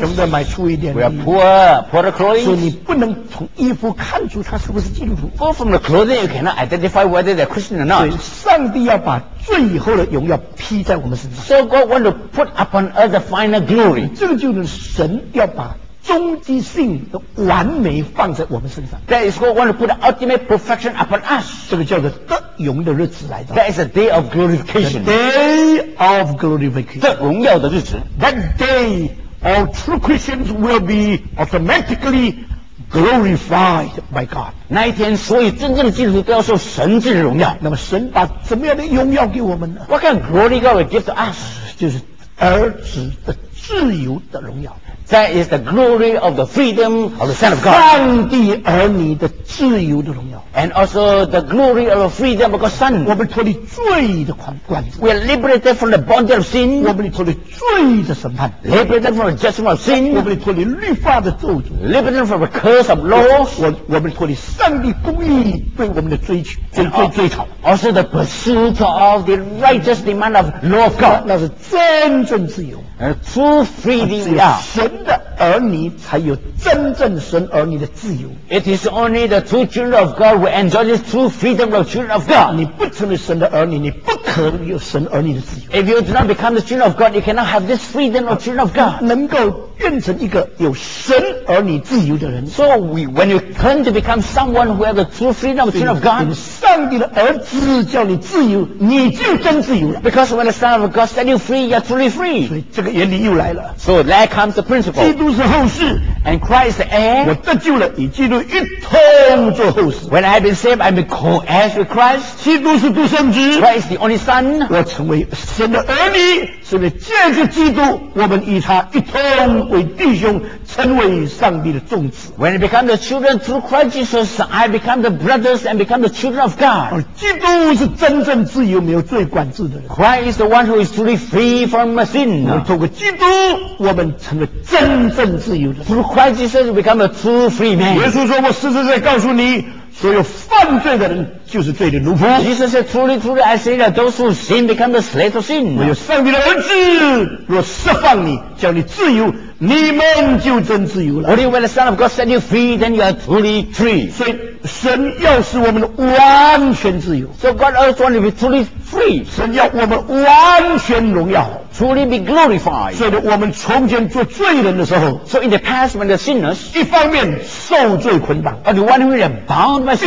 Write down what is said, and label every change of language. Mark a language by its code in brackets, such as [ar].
[zh] 穷的买粗一点 [en] ，with a poorer clothing. [zh] 所以你不能从衣服看出他是不是基督徒。 [en] For from the clothing, you cannot identify whether they're Christian or not. [zh] 所以上帝要把最后的荣耀披在我们身上。 [en] So God wants to put upon us the final glory. [zh] 这个就是神要把终极性的完美放在我们身上。 [en] That is God wants to put the ultimate perfection upon us. [zh] 这个叫做得荣的日子来的。 [en] That is a day of glorification. The day of glorification. [zh] 得荣耀的日子。 [en] That day all true Christians will be automatically glorified by God. [zh] 那一天，所以真正的基督徒都要受神之荣耀。那么，神把怎么样的荣耀给我们呢 [en] ？What kind of glory God will give to us? [zh] 就是儿子的自由的荣耀。 [en] That is the glory of the freedom of the Son of God. [zh] 上帝儿女的自由的荣耀。 [en] And also the glory of the freedom of God's Son. [zh] 我们脱离罪的管制。 [en] We are liberated from the bondage of sin. [zh] 我们脱离罪的审判。 [en] Liberated from the judgment of sin. [zh] 我们脱离律法的咒诅。 [en] Liberated from the curse of law. [zh] 我们脱离上帝公义对我们的追讨。 [en] Also the pursuit of the righteous demand of law of God. [zh] 那是真正自由。 [en] True freedom. [zh] 只有神的儿女才有真正神儿女的自由。 [en] It is only the true children of God will enjoy this true freedom of children of God. [zh] 你不成为神的儿女，你不可能有神儿女的自由。 [en] If you do not become the children of God, you cannot have this freedom of children of God. [zh] 能够变成一个有神儿女自由的人。 [en] So when you turn to become someone who has the true freedom of children of God, [zh] 上帝的儿子叫你自由，你就真自由了。 [en] Because when the Son of God set you free, you are truly free. [zh] 所以这个原理又来了。 [en] So there comes the principle. [zh] 基督是后世 [en] ，and Christ is the heir. [zh] 我得救了，与基督一同做后世。 [en] When I've been saved, I'm co-heir with Christ. [zh] 基督是独生子 [en] ，Christ is the only Son. [zh] 我成为神的儿女。所以借着基督，我们与他一同为弟兄，成为上帝的众子。 [en] When I become the children through Christ Jesus, I become the brothers and become the children of God. [zh] 而基督是真正自由、没有罪管制的人。 [en] Christ is the one who is truly free from sin. [zh] 而透过基督，我们成为真正自由的人。 [en] Through Christ Jesus, we become a true free man. [zh] 耶稣说：“我实实在告诉你。” 所有犯罪的人就是罪的奴仆。 [en] Jesus said, "Truly, truly, I say that those who sin become the slaves of sin." [zh] 唯有上帝的儿子若释放你，叫你自由，你们就真自由了。 [en] Only when the Son of God set you free, then you are truly free. [zh] 所以神要使我们完全自由。 [en] So God also wants to be truly free. [zh] 神要我们完全荣耀。 [en] Truly be glorified. [zh] 所以我们从前做罪人的时候 [en] ，So in the past when the sinners， [zh] 一方面受罪捆绑 [en] ，But one way bound by sin，